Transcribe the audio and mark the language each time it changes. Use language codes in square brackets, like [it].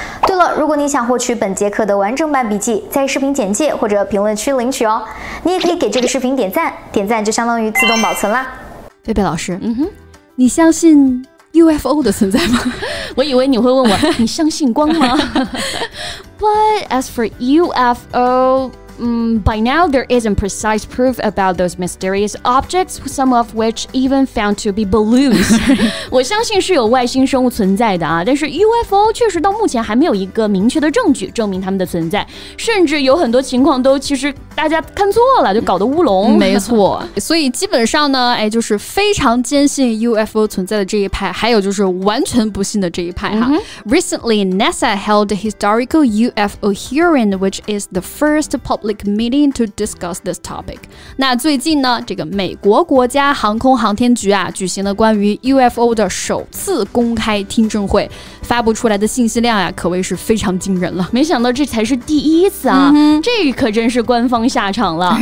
[zh] 对了，如果你想获取本节课的完整版笔记，在视频简介或者评论区领取哦。你也可以给这个视频点赞，点赞就相当于自动保存啦。贝贝老师，你相信UFO 的存在吗？我以为你会问我，你相信光吗？ [en] But as for UFO, by now there isn't precise proof about those mysterious objects, some of which even found to be balloons. [zh] 我相信是有外星生物存在的啊，但是 UFO 确实到目前还没有一个明确的证据证明他们的存在，甚至有很多情况都其实大家看错了，就搞得乌龙。没错，所以基本上呢，哎，就是非常坚信 UFO 存在的这一派，还有就是完全不信的这一派哈。 [en] Recently, NASA held a historical UFO hearing, which is the first public meeting to discuss this topic. [zh] 那最近呢，这个美国国家航空航天局啊，举行了关于 UFO 的首次公开听证会，发布出来的信息量呀，可谓是非常惊人了。没想到这才是第一次啊，这可真是官方下场了。